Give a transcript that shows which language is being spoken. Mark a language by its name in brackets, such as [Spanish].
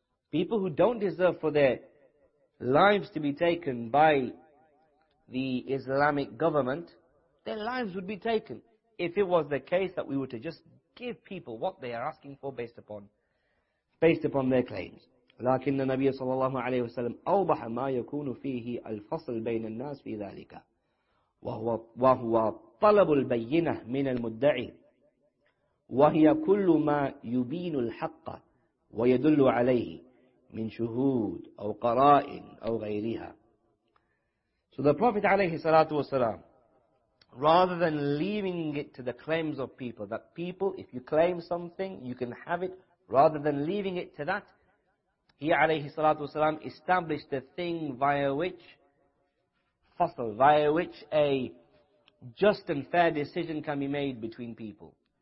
[English] People who don't deserve for their lives to be taken by the Islamic government, their lives would be taken. If it was the case that we were to just give people what they are asking for based upon their claims. [Arabic] لكن النبي صلى الله عليه وسلم أوضح ما يكون فيه الفصل بين الناس في ذلك وهو طلب البينة من المدعي وهي كل ما يبين الحق ويدل عليه من شهود أو قرائن أو غيرها. [English] So the Prophet [Arabic] عليه الصلاة والسلام, [English] rather than leaving it to the claims of people, that people, if you claim something, you can have it, rather than leaving it to that, he alayhi salatu wasalam established the thing via which fasl, via which a just and fair decision can be made between people.